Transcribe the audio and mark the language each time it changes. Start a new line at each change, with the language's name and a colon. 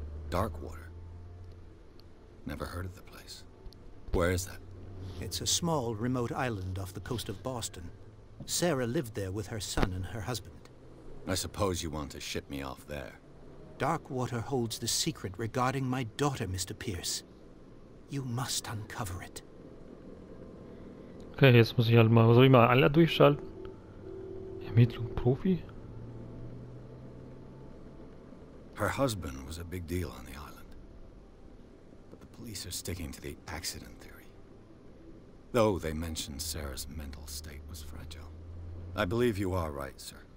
English: Darkwater. Never heard of the place. Where is that? It's a small, remote island off the coast of Boston. Sarah lived there with her son and her husband. I suppose you want to ship me off there. Darkwater holds the secret regarding my daughter, Mr. Pierce. You must uncover it.
German: Okay, jetzt muss ich halt mal, soll ich mal alle durchschalten? Ermittlung Profi?
English: Her husband was a big deal on the island. But the police are sticking to the accident theory. Though they mentioned Sarah's mental state was fragile. I believe you are right, sir.